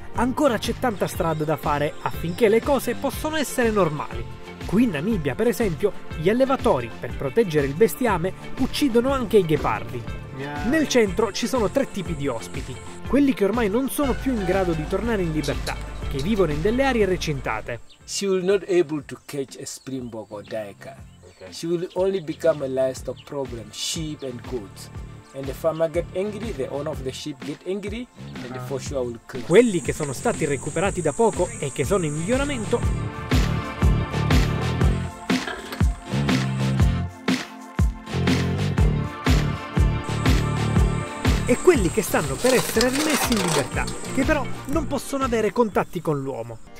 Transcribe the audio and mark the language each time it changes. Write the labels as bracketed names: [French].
[Italian] ancora c'è tanta strada da fare affinché le cose possano essere normali. Qui in Namibia, per esempio, gli allevatori, per proteggere il bestiame, uccidono anche i ghepardi. Nel centro ci sono tre tipi di ospiti: quelli che ormai non sono più in grado di tornare in libertà, che vivono in delle aree recintate. [English] She will not able to catch a springbok or duiker. She will only become a livestock problem, sheep and goats. And the farmer get angry, the owner of the sheep get angry, and for sure will kill. [Italian] Quelli che sono stati recuperati da poco e che sono in miglioramento. E quelli che stanno per essere rimessi in libertà, che però non possono avere contatti con l'uomo.